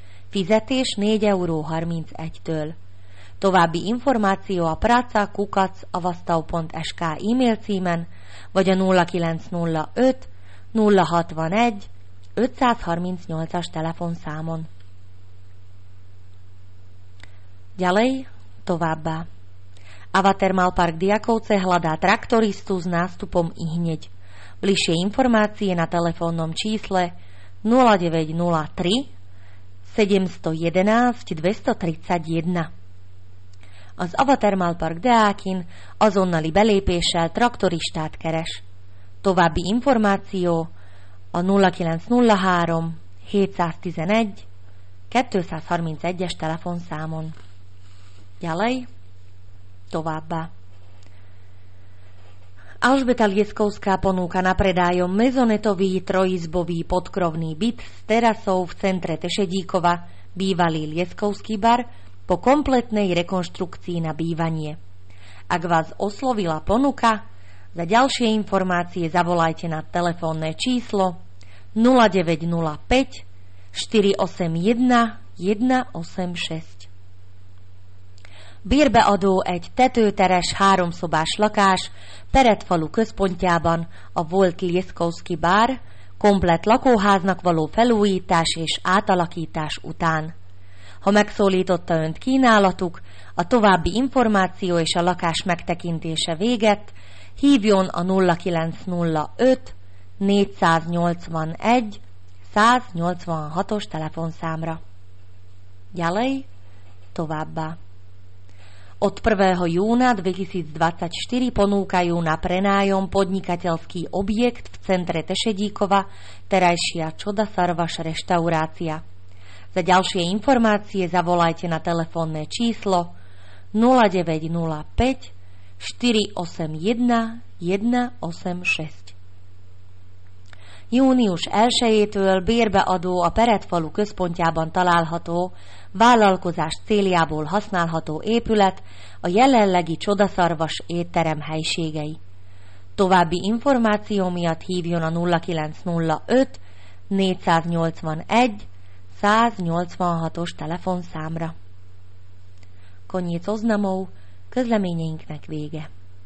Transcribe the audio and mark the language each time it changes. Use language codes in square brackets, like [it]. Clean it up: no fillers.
[hu] Fizetés 4,31 €. További információ a praca@avastav.sk e-mail címen, vagy a 0905 061 538-as telefonszámon. [sk] Ďalej, [hu] továbbá. [sk] Ava Thermal Park Diakovce hľadá traktoristu s nástupom ihneď. Bližšie informácie na telefónnom čísle 0903 711 231. [hu] Az Ava Thermal Park Deákin azonnali belépéssel traktoristát keres. További információ a 0903 711 231-es telefonszámon. [sk] Ďalej, [hu] továbbá. [sk] Alžbeta Lieskovská ponúka na predájom mezonetový trojizbový podkrovný byt s terasou v centre Tešedíkova, bývalý Lieskovský bar, po kompletnej rekonštrukcii na bývanie. Ak vás oslovila ponuka, za ďalšie informácie zavolajte na telefónne číslo 0905 481 186. [hu] Bérbeadó egy tetőteres, háromszobás lakás Peretfalu központjában a Volt Lieskovský bár komplett lakóháznak való felújítás és átalakítás után. Ha megszólította önt kínálatuk, a további információ és a lakás megtekintése véget, hívjon a 0905 481 186-os telefonszámra. [sk] Ďalej, [hu] továbbá. [sk] Od 1. júna 2024 ponúkajú na prenájom podnikateľský objekt v centre Tešedíkova, terajšia Čoda Sarvaš reštaurácia. Za ďalšie informácie zavolajte na telefónne číslo 0905 481 186. [hu] Június 1-től bérbeadó a Peretfalu központjában található, vállalkozás céljából használható épület a jelenlegi Csodaszarvas étterem helységei. További információ miatt hívjon a 0905 481 186-os telefonszámra. [sk] Koniec oznamov, [hu] közleményeinknek vége.